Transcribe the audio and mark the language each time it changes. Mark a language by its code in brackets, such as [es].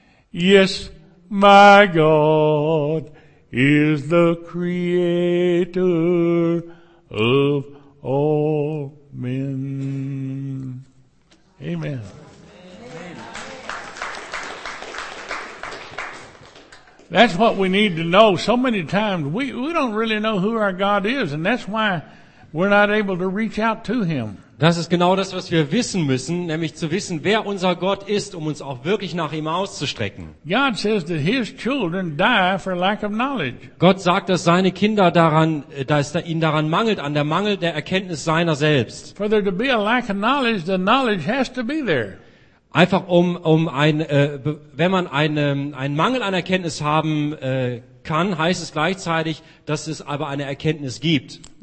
[en] Yes, my God is the creator of all men. Amen. That's what we need to know. So many times we don't really know who our God is, and that's why we're not able to reach out to him. [de] Das ist genau das, was wir wissen müssen, nämlich zu wissen, wer unser Gott ist, um uns auch wirklich nach ihm auszustrecken. [en] God says that his children die for lack of knowledge. [de] Gott sagt, dass seine Kinder daran, dass er ihnen daran mangelt, an der Mangel der Erkenntnis seiner selbst. [en] For there to be a lack of knowledge, the knowledge has to be there. [de] Einfach wenn man einen Mangel an Erkenntnis haben kann, heißt es gleichzeitig, dass es aber eine Erkenntnis gibt.